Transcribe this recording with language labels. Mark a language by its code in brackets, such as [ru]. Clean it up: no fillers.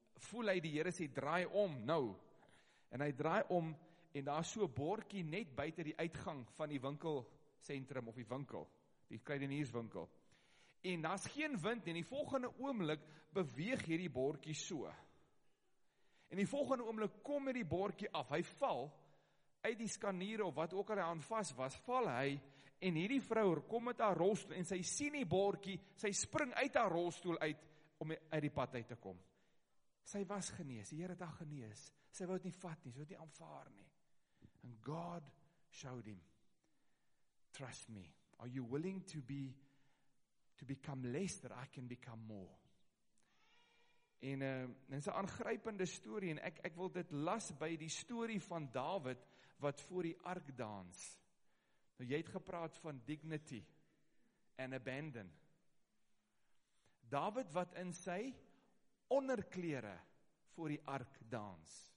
[af] voel hy die Here sê, draai om nou, en hy draai om, en daar is so 'n bordjie net buiten die uitgang van die winkelcentrum, of die winkel, die kruidenierswinkel, en daar is geen wind, en die volgende oomblik beweeg hierdie bordjie so, en die volgende oomblik kom hierdie bordjie af, hy val, uit die skaniere, of wat ook al hy aan vas was, val hy, en hierdie vrou kom met haar rolstoel, en sy sien die bordjie, sy spring uit haar rolstoel uit, om uit die pad uit te kom. Sy was genees, die Here het haar genees, sy wou het nie vat nie, sy wou het nie aanvaar nie. [en] And God showed him, trust me, are you willing to become less that I can become more? [af] En dit is 'n aangrypende story en ek wil dit las by die story van David wat voor die ark dans. Nou jy het gepraat van [en] dignity and abandon. [af] David wat in sy onderklere voor die ark dans.